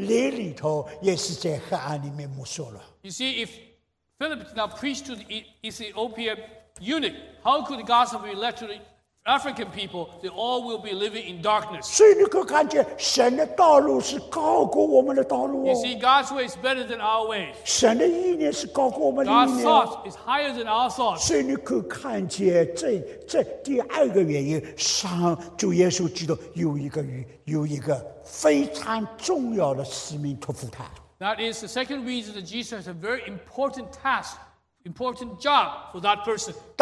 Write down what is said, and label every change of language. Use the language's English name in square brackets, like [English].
[Chinese] 你可看见，我们不知道，如果说这个菲利不去的话，不顺服的话，非洲的人怎么能够看见他们活在黑暗里头，他们是雷里头，也是在黑暗里面摸索了。 [English] You see, if Philip did not preach to the Ethiopia eunuch, how could gospel be led to the African people? They all will be living in darkness. [Chinese] 所以你可看见神的道路是高过我们的道路哦。 [English] You see, God's way is better than our way. [Chinese] 神的意念是高过我们的意念。 [English] God's thought is higher than our thought. [Chinese] 所以你可看见这第二个原因，上主耶稣基督有一个非常重要的使命托付他。 [English] That is the second reason that Jesus has a very important task, important job for that person.